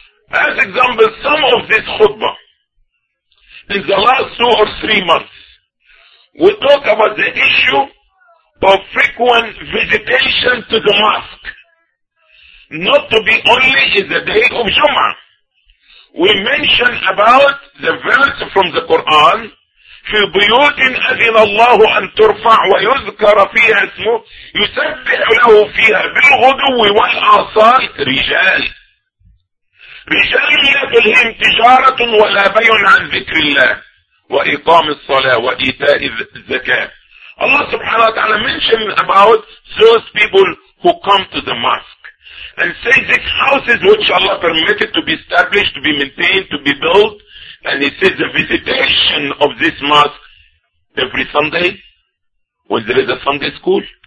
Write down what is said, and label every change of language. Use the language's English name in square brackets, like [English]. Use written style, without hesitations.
[English] As example, some of this khutbah, in the last 2 or 3 months, we talk about the issue of frequent visitation to the mosque, not to be only in the day of Jum'ah. We mention about the verse from the Quran, [Arabic] في بيوت أذن الله أن ترفع ويذكر فيها اسمه يسبح له فيها بالغدو والآصال رجال. رجال لا تلهم تجارة ولا بيع عن ذكر الله وإقام الصلاة وإيتاء الزكاة. الله سبحانه وتعالى [English] mentioned about those people who come to the mosque and say these houses which Allah permitted to be established, to be maintained, to be built, and He says the visitation of this mosque every Sunday when there is a Sunday school.